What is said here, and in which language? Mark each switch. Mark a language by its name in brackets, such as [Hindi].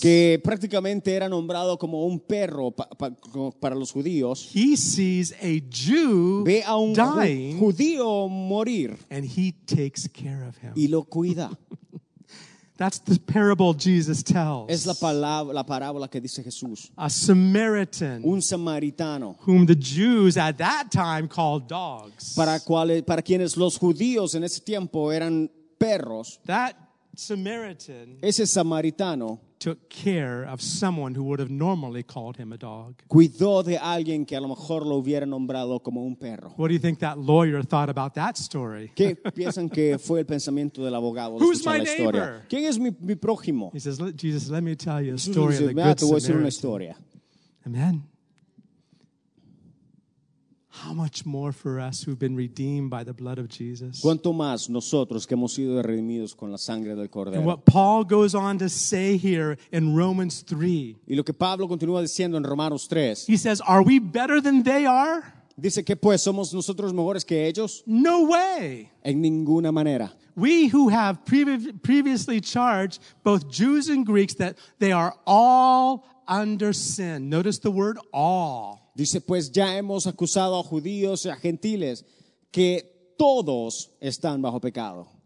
[Spanish] que prácticamente era nombrado como un perro para los judíos. [English] He sees a Jew [Spanish] ve a un [English] dying, [Spanish] judío morir, [English] and he takes care of him. [Spanish] Y lo cuida. [English] That's the parable Jesus tells. [Spanish] Es la parábola que dice Jesús. [English] A Samaritan. [Spanish] Un samaritano. [English] Whom the Jews at that time called dogs. [Spanish] Para quienes los judíos en ese tiempo eran perros. [English] That Samaritan. [Spanish] Ese samaritano. [English] Took care of someone who would have normally called him a dog. [Spanish] Cuidó de alguien que a lo mejor lo hubiera nombrado como un perro. [English] What do you think that lawyer thought about that story? [Spanish] ¿Qué piensan que fue el pensamiento del abogado? [English] Who's my neighbor? [Spanish] ¿Quién es mi prójimo? [English] He says, Jesus, let me tell you a story of the Good Samaritan. Amen. How much more for us who've been redeemed by the blood of Jesus? [Spanish] ¿Cuánto más nosotros que hemos sido redimidos con la sangre del Cordero? [English] And what Paul goes on to say here in Romans 3. [Spanish] Y lo que Pablo continúa diciendo en Romanos 3. [English] He says, are we better than they are? [Spanish] Dice que pues, ¿somos nosotros mejores que ellos? [English] No way. [Spanish] En ninguna manera. [English] We who have previously charged both Jews and Greeks that they are all under sin. Notice the word all. [Spanish] Dice, pues ya hemos acusado a judíos y a gentiles que todos están bajo pecado.